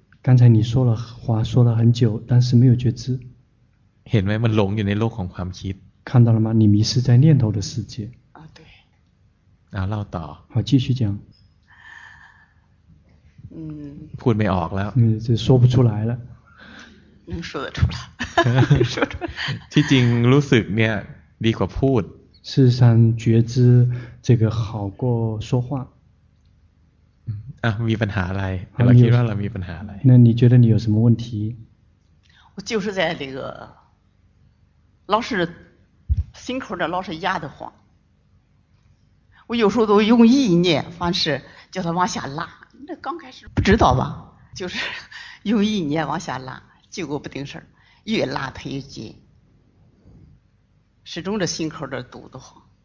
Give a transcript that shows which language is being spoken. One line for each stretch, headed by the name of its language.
Chinese: 刚才你说了话说了很久但是没有觉知
Thai: เห็นไหมมันหลงอยู่ในโลกของความคิด
Chinese: 看到了吗你迷失在念头的世界啊对然后
Thai: เล่าต่อ
Chinese: 好继续讲
Thai: พูดไม่ออกแล้ว
Chinese: 就说不出来了能说得出来说出来
Thai: ที่จริงรู้สึกเนี่ยดีกว่าพูด
Chinese: 事实上觉知这个好过说话
Thai: อ่ะมีปัญหาอะไรเราคิดว่าเรามีปัญหาอะไร นั่น
Chinese: 你觉得你有什么问题我就是在这个老是心口的老是压得慌我有时候都用意念方式叫他往下拉那刚开始不知道吧就是用意念往下拉结果不定事越拉他越紧始终这心口的堵得慌